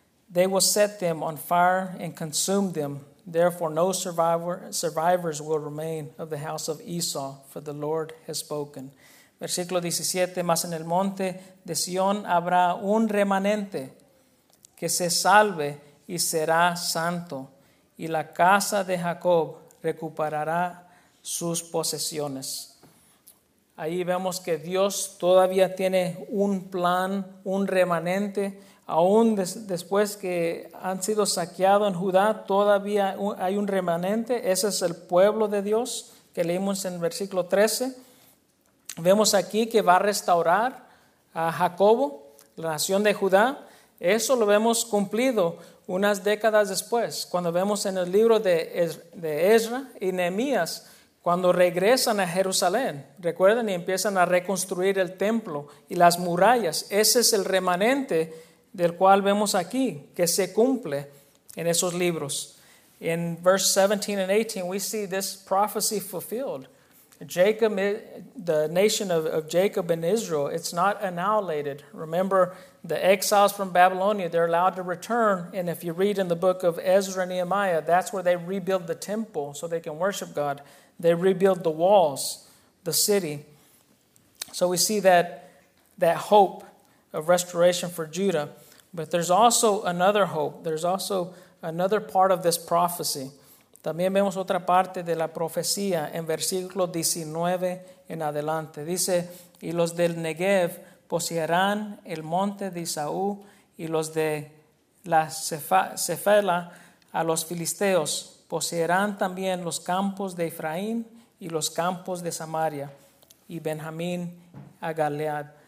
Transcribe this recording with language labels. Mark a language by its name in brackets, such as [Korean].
[English] They will set them on fire and consume them. Therefore, no survivors will remain of the house of Esau, for the Lord has spoken. [Spanish] Versículo 17, mas en el monte de Sion habrá un remanente que se salve y será santo, y la casa de Jacob recuperará sus posesiones. Ahí vemos que Dios todavía tiene un plan, un remanente. Aún después que han sido saqueados en Judá, todavía hay un remanente. Ese es el pueblo de Dios que leímos en versículo 13. Vemos aquí que va a restaurar a Jacobo, la nación de Judá. Eso lo vemos cumplido unas décadas después, cuando vemos en el libro de Esra y Nehemías, cuando regresan a Jerusalén, recuerden, y empiezan a reconstruir el templo y las murallas. Ese es el remanente del cual vemos aquí que se cumple en esos libros. [English] In verse 17 and 18, we see this prophecy fulfilled. Jacob, the nation of Jacob and Israel, it's not annihilated. Remember, the exiles from Babylonia, they're allowed to return. And if you read in the book of Ezra and Nehemiah, that's where they rebuild the temple so they can worship God. They rebuild the walls, the city. So we see that hope of restoration for Judah. But there's also another hope. There's also another part of this prophecy. [Spanish] También vemos otra parte de la profecía en versículo 19 en adelante. Dice, y los del Negev poseerán el monte de Isaú, y los de la Cefela a los filisteos poseerán también los campos de Efraín y los campos de Samaria, y Benjamín a Galead.